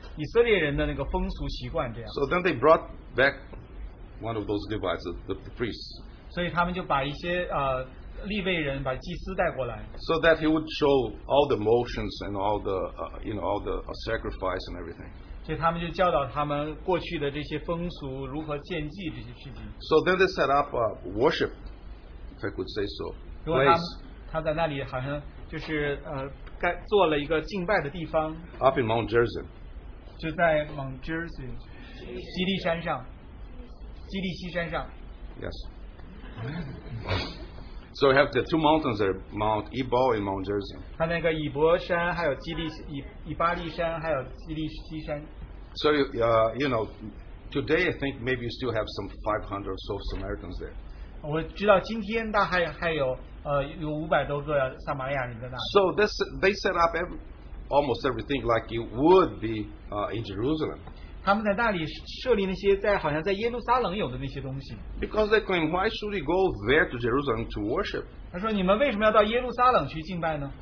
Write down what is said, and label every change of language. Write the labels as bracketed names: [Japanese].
[Chinese] 他们就想要在那里，他们迁移过来的那个那些民族的时候，他们住在撒玛利亚那边的话，就想让他们有像以前以色列人的那个风俗习惯这样。 [English] So then they brought back one of those Levites, the priests. [Chinese] 所以他们就把一些, 立位人把祭司带过来, [English] so that he would show all the motions and all the you know, all the sacrifice and everything. [Chinese] 所以他们就教导他们过去的这些风俗如何献祭这些事情。 [English] So then they set up a worship if I could say so. [Chinese] 如果他在那里好像就是做了一个敬拜的地方。 [English] Up in Mount Gerizim. [Chinese] 就在 Mount Gerizim, 基利山上, 基利西山上。 [English] Yes. So we have the two mountains there, Mount Ebal and Mount Gerizim. [Chinese] 他那个以伯山还有基利以巴利山还有基利西山。 [English] So you know, today I think maybe you still have some 500 or so Samaritans there. [Chinese] 我知道今天大概还有500多个撒玛利亚人在那。 [English] So this they set up almost everything like it would be in Jerusalem. [Chinese] 他们在那里设立那些在好像在耶路撒冷有的那些东西。 [English] Because they claim, why should you go there to Jerusalem to worship? [Chinese] 他说你们为什么要到耶路撒冷去敬拜呢？